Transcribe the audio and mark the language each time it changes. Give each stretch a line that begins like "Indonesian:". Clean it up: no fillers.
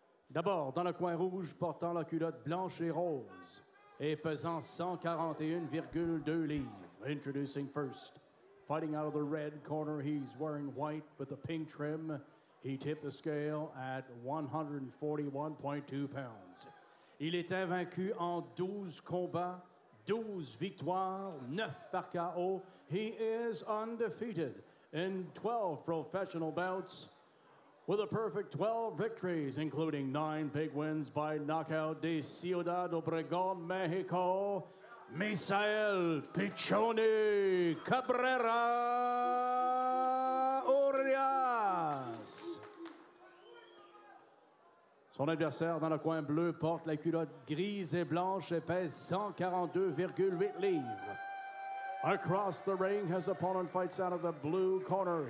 French: D'abord, dans le coin rouge, portant la culotte blanche et rose, et pesant 141,2 livres.
English: Introducing first, fighting out of the red corner, he's wearing white with the pink trim. He tipped the scale at 141.2 pounds.
French: Il est invaincu en 12 combats, 12 victoires, 9 par KO.
English: He is undefeated in 12 professional bouts, with a perfect 12 victories, including 9 big wins by knockout
French: de
English: Ciudad Obregón, Mexico, Misael Pichoni Cabrera Urias.
French: Son adversaire dans le coin bleu porte la culotte grise et blanche et pèse 142,8 livres.
English: Across the ring, his opponent fights out of the blue corner.